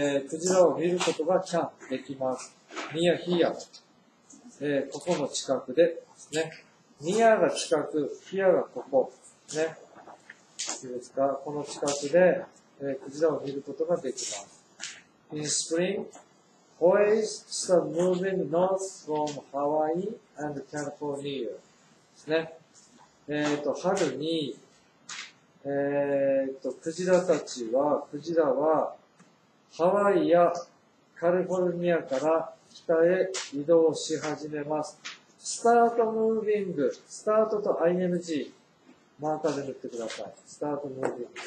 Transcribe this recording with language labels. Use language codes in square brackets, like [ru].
[ja] クジラを見ることが can できます。 [en] Near here.、 [ja] ここの近くでですね。 Near が近く、here がここ。ね。いいですか？この近くで、クジラを見ることができます。 [en] In spring, whales start moving north from Hawaii and California. [ja] ですね。春に、クジラはハワイやカリフォルニアから北へ移動し始めます。 [en] Start moving, [ja] start と ing, マーカーで塗ってください。Start moving.